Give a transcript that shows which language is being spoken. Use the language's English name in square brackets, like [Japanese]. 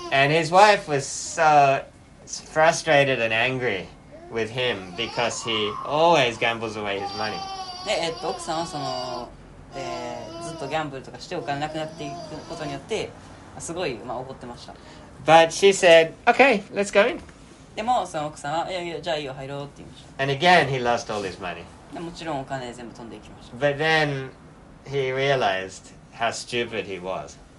[English] And his wife was so frustrated and angry with him because he always gambles away his money. [Japanese] で、奥さんはその、ずっとギャンブルとかしてお金なくなっていくことによって、すごい、まあ、怒ってました。 [English] But she said, okay, let's go in. [Japanese] でもその奥さんはいやいやじゃあいいよ入ろうって言いました。 [English] And again he lost all his money. [Japanese] でもちろんお金全部飛んでいきました。 [English] But then he realized how stupid he was.